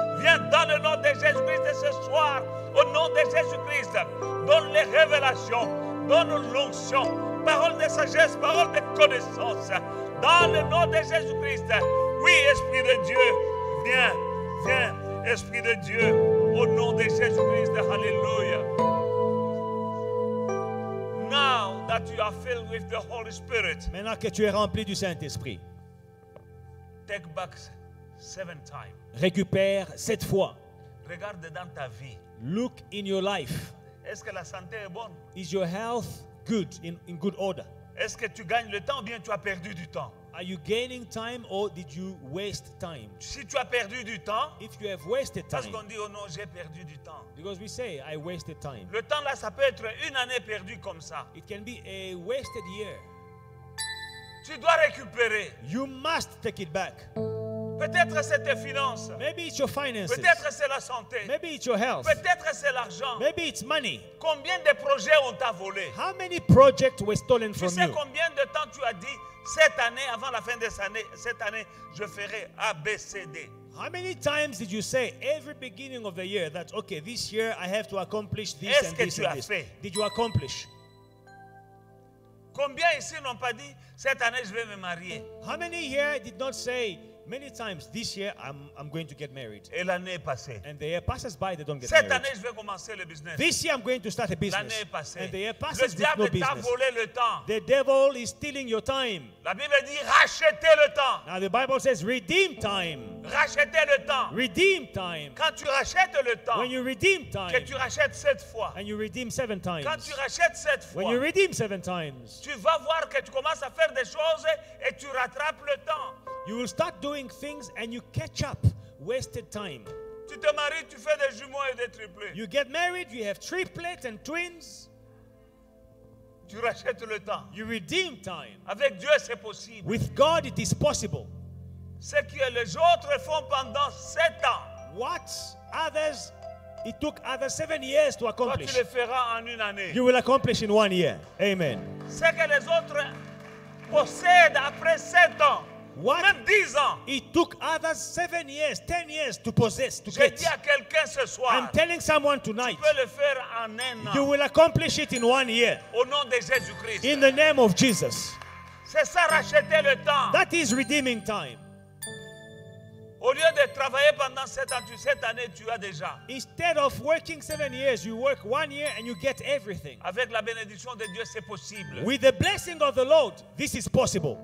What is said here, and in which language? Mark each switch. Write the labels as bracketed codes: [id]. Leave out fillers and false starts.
[fr] Viens dans le nom de Jésus-Christ ce soir. Au nom de Jésus-Christ, donne les révélations, donne l'onction, parole de sagesse, parole de connaissance. Dans le nom de Jésus-Christ, oui, Esprit de Dieu, viens, viens, Esprit de Dieu, au nom de Jésus-Christ, alléluia. [en] Now that you are filled with the Holy Spirit, [fr] maintenant que tu es rempli du Saint-Esprit, [en] take back seven times. [fr] Récupère sept fois. Regarde dans ta vie. [en] Look in your life. [fr] Est-ce que la santé est bonne? [en] Is your health good, in good order? [fr] Est-ce que tu gagnes le temps ou bien tu as perdu du temps? [en] Are you gaining time or did you waste time? [fr] Si tu as perdu du temps, [en] if you have wasted time, [fr] parce qu'on dit, oh non, j'ai perdu du temps. [en] Because we say, I wasted time. [fr] Le temps là, ça peut être une année perdue comme ça. [en] It can be a wasted year. [fr] Tu dois récupérer. [en] You must take it back. [fr] Peut-être c'est tes finances. [en] Maybe it's your finances. [fr] Peut-être c'est la santé. [en] Maybe it's your health. [fr] Peut-être c'est l'argent. [en] Maybe it's money. [fr] Combien de projets ont été volés? [en] How many projects were stolen from you? [fr] Tu sais combien de temps tu as dit cette année avant la fin de cette année je ferai A B C D? [en] How many times did you say every beginning of the year that okay this year I have to accomplish this [fr] Est-ce [en] and this [fr] que tu [en] and [fr] as [en] this? [fr] Fait? [en] Did you accomplish? [fr] Combien ici n'ont pas dit cette année je vais me marier? [en] How many here did not say many times this year I'm going to get married? [fr] Et l'année est passée. [en] And the year passes by, they don't get [fr] cette [en] married. [fr] Cette année je vais commencer le business. [en] This year I'm going to start a business. [fr] L'année est passée. [en] And the year passes [fr] le diable [en] no business. [fr] T'a volé le temps. [en] The devil is stealing your time. [fr] La Bible dit rachetez le temps. [en] Now the Bible says redeem time. [fr] Rachetez le temps. [en] Redeem time. [fr] Quand tu rachètes le temps. [en] When you redeem time. [fr] Que tu rachètes sept fois. [en] And you redeem seven times. [fr] Quand tu rachètes sept fois. [en] When you redeem seven times. [fr] Tu vas voir que tu commences à faire des choses et tu rattrapes le temps. [en] You will start doing things and you catch up wasted time. [fr] Tu te maries, tu fais des jumeaux et des triplés. [en] You get married, you have triplets and twins. [fr] Tu rachètes le temps. [en] You redeem time. [fr] Avec Dieu, c'est possible. [en] With God, it is possible. [fr] Ce que les autres font pendant sept ans. [en] What others, it took others 7 years to accomplish. [fr] Toi, tu le feras en une année. [en] You will accomplish in 1 year. Amen. [fr] Ce que les autres possèdent après sept ans. [en] What? [fr] Même 10 ans. [en] It took others 7 years, 10 years to possess, to [fr] J'ai Dit à quelqu'un ce soir, [en] I'm telling someone tonight. [fr] Tu peux le faire en un an. [en] You will accomplish it in 1 year. [fr] Au nom de Jésus-Christ. [en] In the name of Jesus. [fr] C'est ça, racheter le temps. [en] That is redeeming time. [fr] Au lieu de travailler pendant 7 ans, tu, cette année, tu as déjà. [en] Instead of working 7 years, you work 1 year and you get everything. [fr] Avec la bénédiction de Dieu, c'est possible. [en] With the blessing of the Lord, this is possible.